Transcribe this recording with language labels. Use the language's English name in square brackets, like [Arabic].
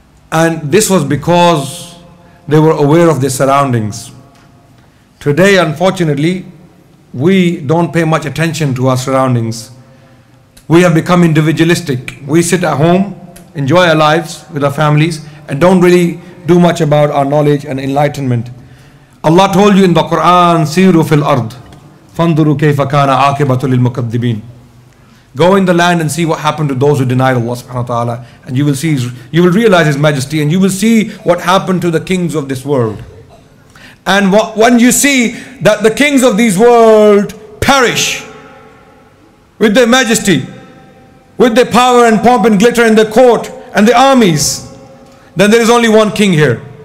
[English] And this was because they were aware of their surroundings. Today, unfortunately, we don't pay much attention to our surroundings. We have become individualistic. We sit at home, enjoy our lives with our families, and don't really do much about our knowledge and enlightenment. Allah told you in the Quran, [Arabic] سِيرُوا فِي الْأَرْضِ فَانْظُرُوا كَيْفَ كَانَ عَاقِبَةُ لِلْمُكَذِّبِينَ. [English] Go in the land and see what happened to those who denied Allah subhanahu wa ta'ala, and you will realize His majesty, and you will see what happened to the kings of this world. And when you see that the kings of this world perish with their majesty, with their power and pomp and glitter in the court and the armies, then there is only one king here.